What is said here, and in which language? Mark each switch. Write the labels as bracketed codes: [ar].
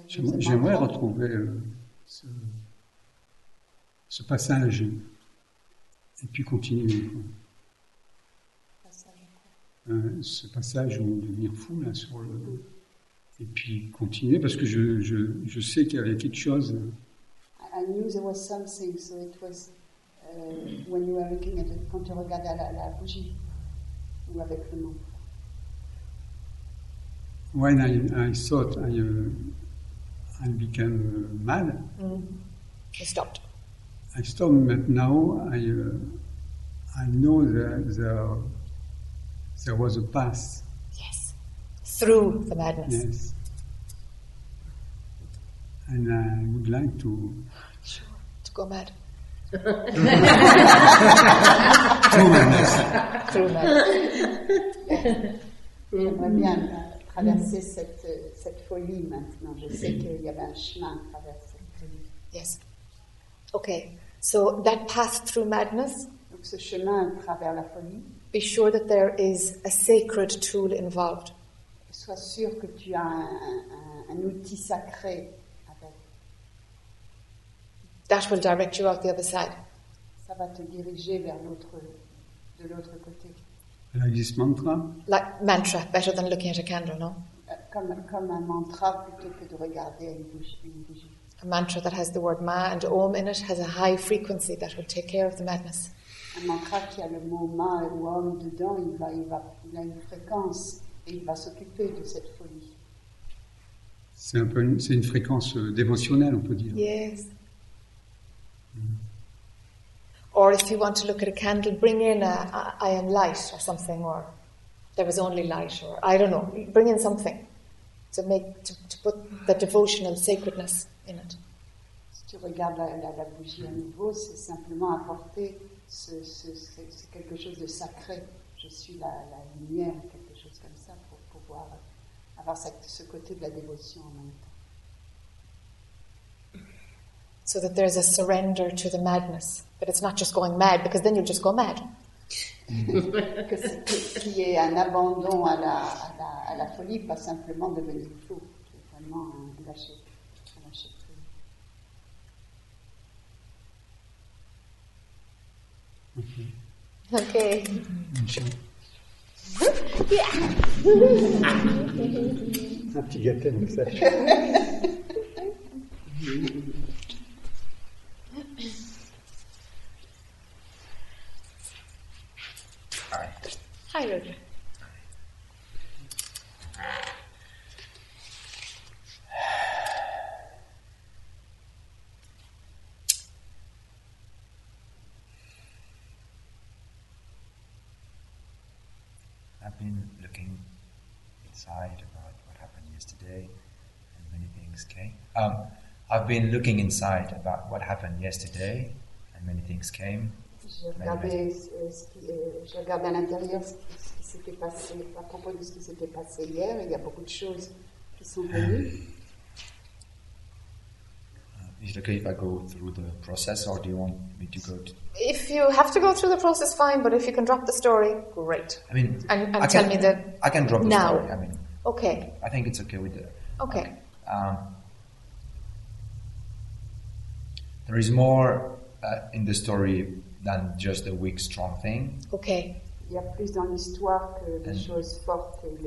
[fr] J'aimerais retrouver ce passage et puis continuer. Quoi. Ce passage où devenir fou là sur le et puis continuer parce que je sais qu'il y avait quelque chose. [en] I knew there was something, so it was when you were looking at it, [fr] quand tu regardais la bougie, ou avec le nom. [en] When I thought I became mad. Mm. You stopped. I stopped, but now I know that there was a path. Yes, through the madness. Yes. And I would like to... Sure, to go mad. Through madness. Through madness. [fr] Yeah. J'aimerais bien traverser cette folie maintenant. Je sais qu'il y avait un chemin à travers cette folie. [en] Yes. Okay, so that path through madness... [fr] Donc ce chemin à travers la folie... [en] Be sure that there is a sacred tool involved. [fr] Sois sûr que tu as un outil sacré. [en] That will direct you out the other side. [fr] Ça va te diriger vers l'autre, de l'autre côté. [en] Like this mantra? Like mantra, better than looking at a candle, no? [fr] Comme un mantra plutôt que de regarder une bougie. [en] A mantra that has the word ma and om in it has a high frequency that will take care of the madness. [fr] Un mantra qui a le mot ma et om dedans, il a une fréquence et il va s'occuper de cette folie. C'est un peu c'est une fréquence d'émotionnelle, on peut dire. [en] Yes. Or if you want to look at a candle, bring in a I am light or something, or there was only light, or I don't know. Bring in something to put the devotional sacredness in it. [fr] Si tu regardes la bougie à nouveau, c'est simplement apporter ce quelque chose de sacré. Je suis la lumière, quelque chose comme ça, pour pouvoir avoir ce côté de la dévotion en même temps. [en] So that there's a surrender to the madness. But it's not just going mad, because then you'll just go mad. [fr] Qui est un abandon à la folie, pas simplement devenir fou. C'est vraiment un lâcher prise. [en] Okay. [fr] Un petit gâteau, mon sache. [en] Hi, Roger. I've been looking inside about what happened yesterday, and many things came. I've been looking inside about what happened yesterday, and many things came. J'ai regardé à l'intérieur ce qui s'était passé, à propos de ce qui s'était passé hier, il y a beaucoup de choses qui sont venues. Is it okay if I go through the process, or do you want me to go to... If you have to go through the process, fine, but if you can drop the story, great. I mean, tell me that I can drop the now. Story, I mean. Okay. I think it's okay with the... Okay. There is more in the story than just a weak, strong thing. Okay. [fr] Il y a plus dans l'histoire que des choses fortes.